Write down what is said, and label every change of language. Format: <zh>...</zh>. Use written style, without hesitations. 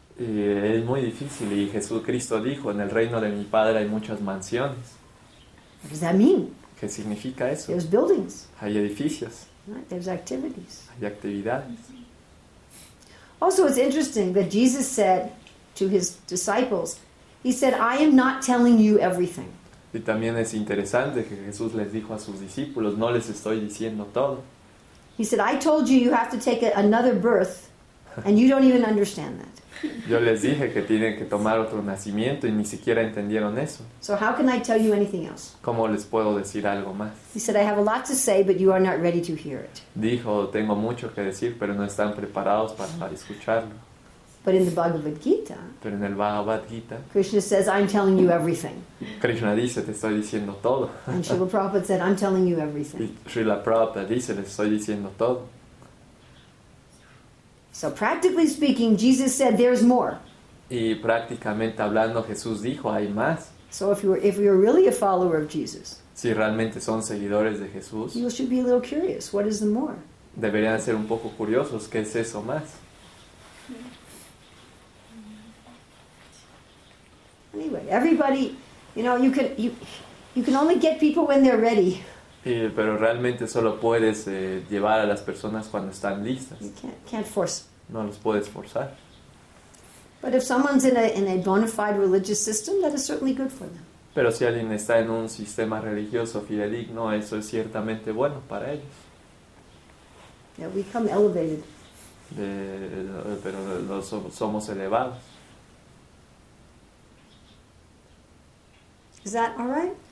<es>Y es muy difícil. Y Jesucristo dijo, en el reino de mi Padre hay muchas mansiones.</es> <en>What does that mean?</en> <es>¿Qué significa eso?</es> <en>There's buildings.</en> <es>Hay edificios.</es> <en>There's activities.</en> <es>Hay actividades.</es> <en>Also, it's interesting that Jesus said to his disciples, he said, I am not telling you everything.</en> <es>Y también es interesante que Jesús les dijo a sus discípulos, no les estoy diciendo todo.</es> <en>He said, I told you you have to take another birth, and you don't even understand that.</en> <es>Yo les dije que tienen que tomar otro nacimiento y ni siquiera entendieron eso.</es> <en>So how can I tell you anything else?</en> <es>¿Cómo les puedo decir algo más?</es> <en>He said, I have a lot to say, but you are not ready to hear it.</en> <es>Dijo, tengo mucho que decir, pero no están preparados para escucharlo.</es> <en>But in the Bhagavad Gita,</en> <es>pero en el Bhagavad Gita,</es> <en>Krishna says, I'm telling you everything.</en> <es>Krishna dice, te estoy diciendo todo.</es> <en>And Srila Prabhupada said, I'm telling you everything.</en> <es>Srila Prabhupada dice, les estoy diciendo todo.</es> <en>So practically speaking, Jesus said, there's more.</en> <es>Y prácticamente hablando, Jesús dijo, hay más.</es> <en>So if you're really a follower of Jesus,</en> <es>si realmente son seguidores de Jesús,</es> <en>you should be a little curious, what is the more?</en> <es>Deberían ser un poco curiosos, ¿qué es eso más?</es> <en>Anyway, everybody, you know, you can only get people when they're ready.</en> <es>Pero realmente solo puedes llevar a las personas cuando están listas.</es> <en>You can't force.</en> <es>No los puedes forzar.</es> <en>But if someone's in a bona fide religious system, that is certainly good for them.</en> <es>Pero si alguien está en un sistema religioso fidedigno, eso es ciertamente bueno para ellos.</es> <en>Yeah, we come elevated.</en> <es>Pero somos elevados.</es> <en>Is that all right?</en>